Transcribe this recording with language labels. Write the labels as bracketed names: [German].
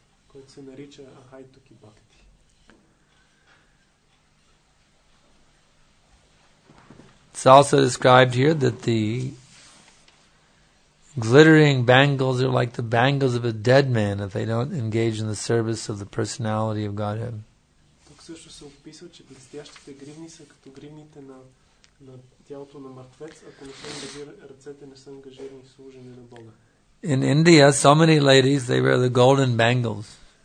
[Bulgarian] Който се нарича Haituki Bhakti. [English] It's also described here that the glittering bangles are like the bangles of a dead man if they don't engage in the service of the personality of Godhead. [Bulgarian] Тук също се описва, че блестящите гривни са като гривните на тялото на мъртвец, ако не се ангажират ръцете, не са ангажирани в служене на Бога. [English] In India, so many ladies, they wear the golden bangles.